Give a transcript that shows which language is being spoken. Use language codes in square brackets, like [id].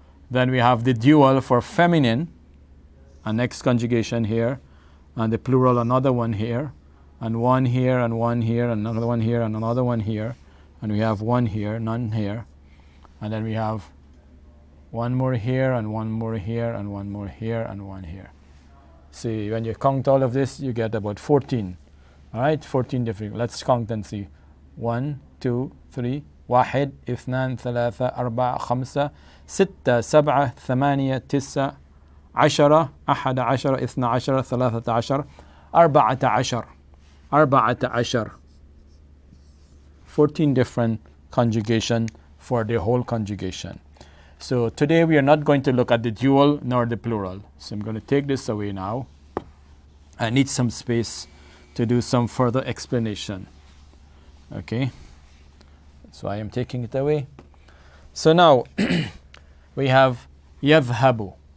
[en] Then we have the dual for feminine, a next conjugation here, and the plural another one here, and one here, and one here, and another one here, and another one here, and we have one here, none here, and then we have one more here, and one more here, and one more here, and one here. See, when you count all of this, you get about 14. All right, 14 different. Let's count and see. 1, 2, 3. [ar] واحد اثنان ثلاثة أربعة خمسة ستة سبعة ثمانية تسعة عشرة أحد عشر اثنى عشر ثلاثة عشر أربعة عشر أربعة عشر [en] 14 different conjugation for the whole conjugation. So today we are not going to look at the dual nor the plural. So I'm going to take this away now. I need some space to do some further explanation. Okay. So I am taking it away. So now we have yadhhabu.